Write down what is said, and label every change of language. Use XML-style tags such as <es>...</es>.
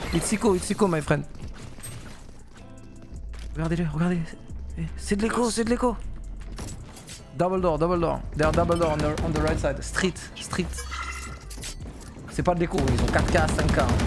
<en>It's echo my friend.</en> <fr>Regardez-le, regardez. C'est de l'écho, c'est de l'écho.</fr> <en>Double door, double door. There are double door on the right side. Street, street.</en> <fr>C'est pas de l'écho, ils ont 4K, 5K.</fr>